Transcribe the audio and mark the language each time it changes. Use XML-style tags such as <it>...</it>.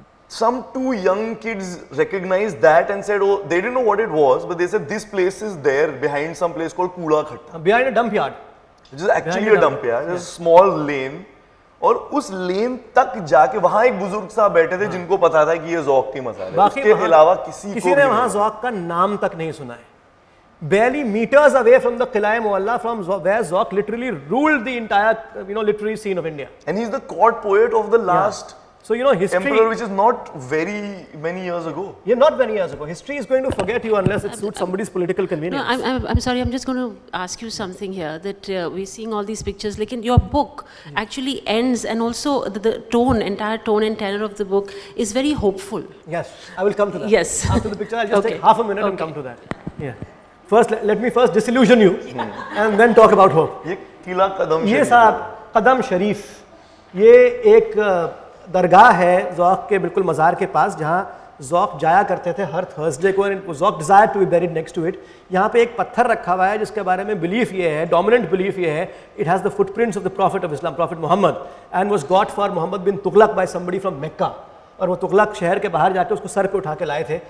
<en>some two young kids recognize that and said oh they didn't know what it was but they said this place is there behind some place called Kudakhatta behind a dump yard which is actually a dump yard, a small lane,</en> <hi>और उस lane तक जाके वहाँ एक बुजुर्ग साहब बैठे थे जिनको पता था कि ये ज़ौक की मज़ा है, उसके अलावा किसी ने वहाँ ज़ौक का नाम तक नहीं सुना है।</hi> <en>Barely meters away from the Qilaa Mualla, from where Zauq literally ruled the entire, you know, literary scene of India. And he's the court poet of the last, so you know, history, emperor, which is not very many years ago. Yeah, not many years ago. History is going to forget you unless it suits somebody's political convenience. No, I'm sorry. I'm just going to ask you something here. That we're seeing all these pictures. Like in your book, actually ends, and also the tone, entire tone and tenor of the book is very hopeful. Yes, I will come to that. Yes. After the picture, I'll just take half a minute and come to that. Yeah. First, let me first disillusion you, and then talk about hope.</en> <hi>ये किला कदम शरीफ। ये साहब कदम शरीफ। ये एक दरगाह है ज़ौक के बिल्कुल मज़ार के पास, जहाँ ज़ौक जाया करते थे हर थर्सडे को,</hi> <en>And Zauq desire to be buried next to it.</en> <hi>यहाँ पे एक पत्थर रखा हुआ है जिसके बारे में बिलीफ ये है, डोमिनेंट बिलीफ ये है,</hi> <en>it has the footprints of the prophet of Islam, prophet Muhammad, and was got for Mohammad bin Tughlaq by somebody from Mecca,</en> <hi>और वो तुगलक शहर के बाहर जाकर उसको सर पर उठा के लाए थे।</hi>